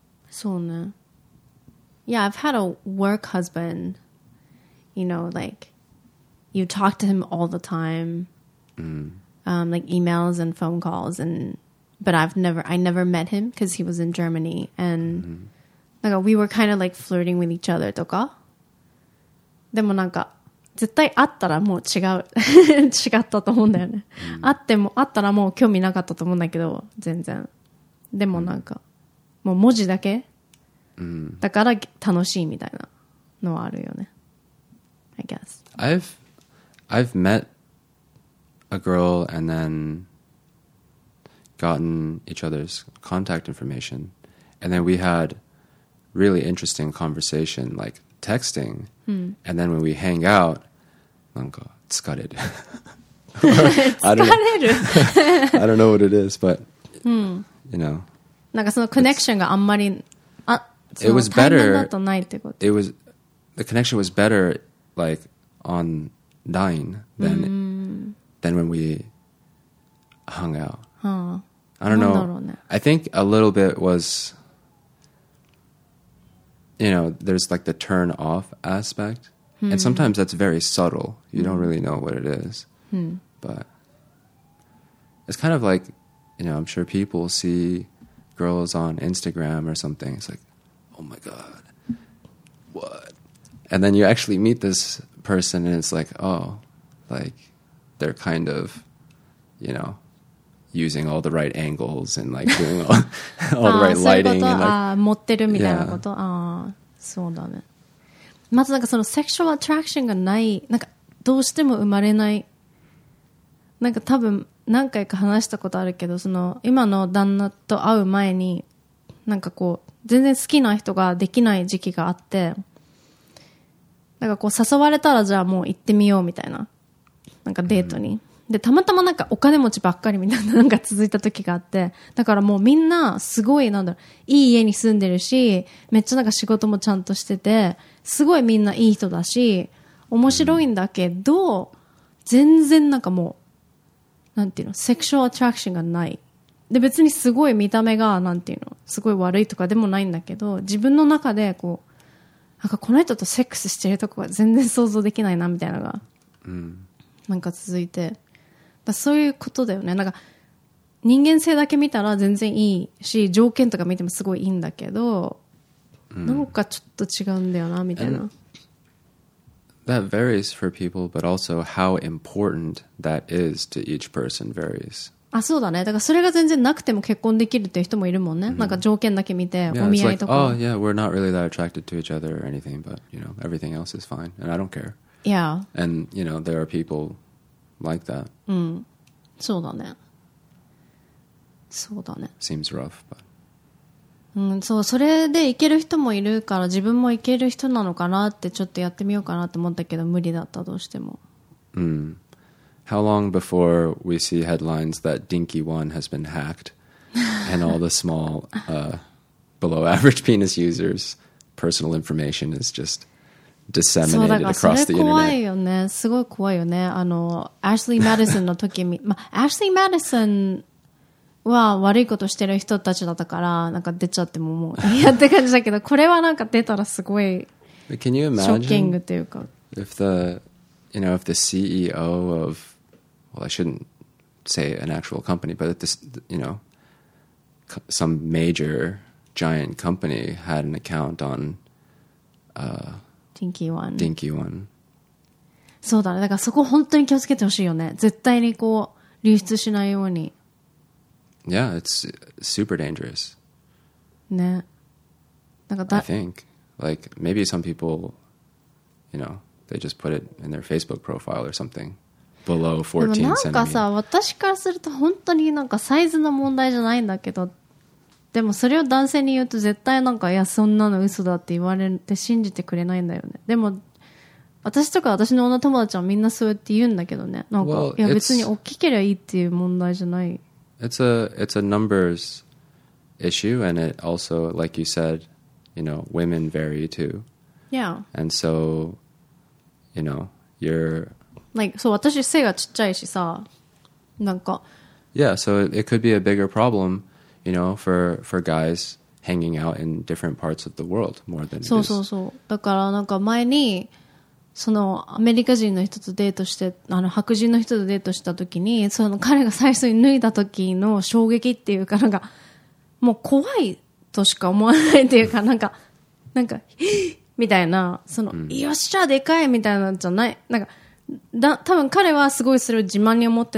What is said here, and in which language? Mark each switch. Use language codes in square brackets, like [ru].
[en] So, yeah, I've had a work husband, you know, like you talk to him all the time, like emails and phone calls. And but I never met him because he was in Germany. And like we were kind of like flirting with each other. [ja] とか。でもなんか。絶対会ったらもう違ったと思うんだよね。会っても会ったらもう興味なかったと思うんだけど、全然。でもなんか、もう文字だけ、だから楽しいみたいなのはあるよね。 [en] I guess. I've met a girl and then gotten each other's contact information. And then we had really interesting conversation, like texting. And then when we hang out, [ja] なんか疲れる疲れる [en] I don't know what it is, but you know, [ja] なんかそのコネクションがあんまり [en] It was better [ja] だとないってこと。 [en] It was the connection was better like on line than than when we hung out. I don't know, [ja] ね、 [en] I think a little bit was, you know, there's like the turn off aspectAnd sometimes that's very subtle. You don't really know what it is. But it's kind of like, you know, I'm sure people see girls on Instagram or something. It's like, oh my God, what? And then you actually meet this person and it's like, oh, like they're kind of, you know, using all the right angles and like doing all the right lighting. [ja] そういうこと? [en] And like, [ja] 持ってるみたいなこと? [en] Yeah. [ja] そうだね。まずなんかそのセクシュアルアトラクションがない、なんかどうしても生まれない、なんか多分何回か話したことあるけど、その今の旦那と会う前になんかこう全然好きな人ができない時期があって、なんかこう誘われたらじゃあもう行ってみようみたいな、なんかデートに、でたまたまなんかお金持ちばっかりみたいななんか続いた時があって、だからもうみんなすごいなんだろう、いい家に住んでるし、めっちゃなんか仕事もちゃんとしてて、すごいみんないい人だし面白いんだけど、全然なんかもうなんていうの、セクシュアルアトラクションがない。で別にすごい見た目がなんていうのすごい悪いとかでもないんだけど、自分の中でこうなんかこの人とセックスしてるとこが全然想像できないなみたいなのが、なんか続いて、だそういうことだよね。なんか人間性だけ見たら全然いいし、条件とか見てもすごいいいんだけど、 [en] That varies for people, but also how important that is to each person varies. [ja] あ、そうだね。だからそれが全然なくても結婚できるっていう人もいるもんね。なんか条件だけ見て、お見合いとか。 [en] Oh, yeah, we're not really that attracted to each other or anything, but, you know, everything else is fine, and I don't care. Yeah. And, you know, there are people like that. [ja] うん。そうだね。そうだね。 [en] Seems rough, but... [ja] うん、そう、それで行ける人もいるから自分も行ける人なのかなってちょっとやってみようかなって思ったけど無理だったどうしても。うん。 [en] How long before we see headlines that Dinky One has been hacked and all the small, below average penis users' personal information is just disseminated across the internet? [ja] そう、だからそれ怖いよね。すごい怖いよね。あの、Ashley Madison の時に、ま、Ashley Madison は悪いことしてる人たちだったからなんか出ちゃってももういやって感じだけどこれはなんか出たらすごいショッキングっていうか [en] if the, you know, if the CEO of well I shouldn't say an actual company but if this, you know, some major giant company had an account on [ja] Dinky One そうだねだからそこ本当に気をつけてほしいよね絶対にこう流出しないように [en] Yeah, it's super dangerous. [ja] ね。なんかだ。 [en] I think. Like, maybe some people, you know, they just put it in their Facebook profile or something below 14 centimeters. [ja] でもなんかさ、私からすると本当になんかサイズの問題じゃないんだけど、でもそれを男性に言うと絶対なんか、いや、そんなの嘘だって言われて信じてくれないんだよね。でも、私とか私の女友達はみんなそうやって言うんだけどね。なんか、 [en] well, [ja] いや、別に大きければいいっていう問題じゃない。 [en] It's a numbers issue, and it also, like you said, you know, women vary too. Yeah. And so, you know, you're... Like, so [ja] 私背がちっちゃいしさ、なんか... [en] Yeah, so it could be a bigger problem, you know, for guys hanging out in different parts of the world more than [ja] そうそうそう。だからなんか前に、そのアメリカ人の人とデートしてあの白人の人とデートした時にその彼が最初に脱いだ時の衝撃っていうかなんかもう怖いとしか思わないっていうかなんかなんかみたいなその、うん、よっしゃでかいみたいなんじゃないなんかだ多分彼はすごいそれを自慢に